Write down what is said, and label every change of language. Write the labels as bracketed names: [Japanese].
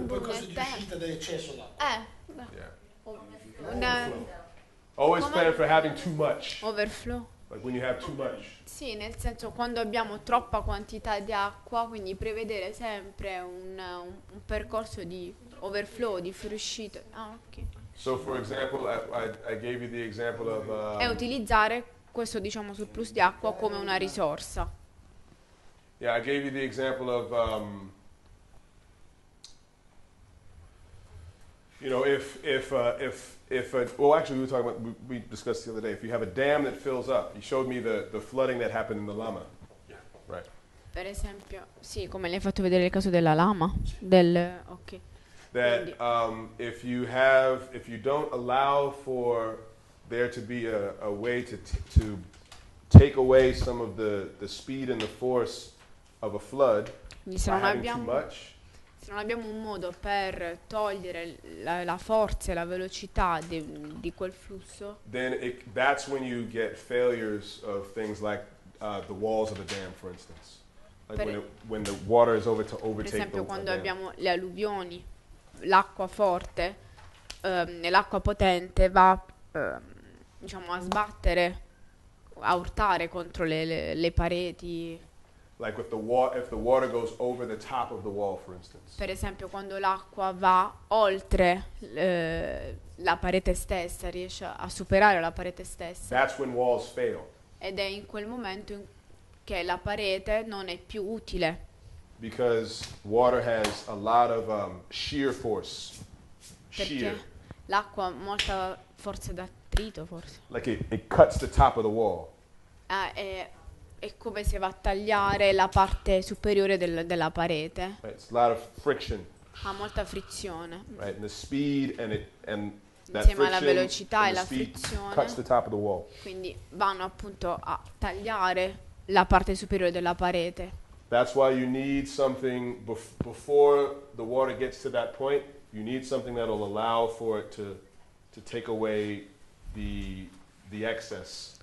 [Italian] Un percorso di uscita dall'eccesso d'acqua. [English] Yeah. Always plan for having too much. Overflow. Like when you have too much. [Italian] Sì, nel senso quando abbiamo troppa quantità di acqua, quindi prevedere sempre un percorso di overflow, di fuoriuscita. Ah, ok. [English] So for example, I gave you the example of. [Italian] È utilizzare questo diciamo surplus di acqua come una risorsa. [English] Yeah, I gave you the example of. You know, we discussed the other day. If you have a dam that fills up, you showed me the flooding that happened in the Lama. Yeah. Right. [Italian] Per esempio, sì, come le hai fatto vedere il caso della Lama, del ok. [English] That if you don't allow for there to be a way to take away some of the speed and the force of a flood, [Italian] se non abbiamo [English] too much. [Italian] Se non abbiamo un modo per togliere la forza e la velocità di quel flusso, [English] then that's when you get failures of things like the walls of the dam, for instance. Like when the water is over to overtake. [Italian] Per esempio, quando [English] dam. [Italian] Abbiamo le alluvioni, l'acqua forte e l'acqua potente va diciamo a sbattere, a urtare contro le pareti. [English] Like if the water goes over the top of the wall, for instance. [Italian] Per esempio, quando l'acqua va oltre la parete stessa, riesce a superare la parete stessa. [English] That's when walls fail. [Italian] Ed è in quel momento che la parete non è più utile. [English] Because water has a lot of shear force. [Italian] Perché [English] shear. [Italian] L'acqua ha molta forza d'attrito, forse. [English] Like it cuts the top of the wall. [Italian] È come se va a tagliare la parte superiore della parete. [English] Right, it's a lot of friction. [Italian] Ha molta frizione. [English] Right, and the speed and it and that [Italian] insieme alla velocità e la frizione [English] cuts the top of the wall. [Italian] Quindi vanno appunto a tagliare la parte superiore della parete. [English] That's why you need something before the water gets to that point. You need something that'll allow for it to take away the excess.